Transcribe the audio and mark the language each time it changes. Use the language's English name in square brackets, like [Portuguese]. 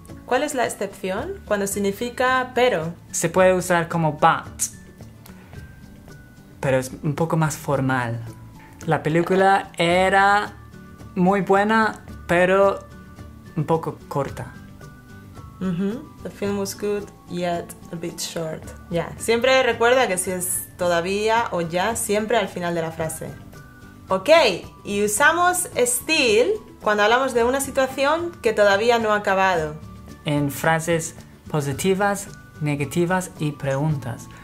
[Spanish] ¿Cuál es la excepción? Cuando significa pero. Se puede usar como but, pero es un poco más formal. La película era muy buena, pero un poco corta. Mm-hmm. [English] The film was good, yet a bit short. Yeah. [Spanish] Siempre recuerda que si es todavía o ya, siempre al final de la frase. Ok, y usamos still cuando hablamos de una situación que todavía no ha acabado. En frases positivas, negativas y preguntas.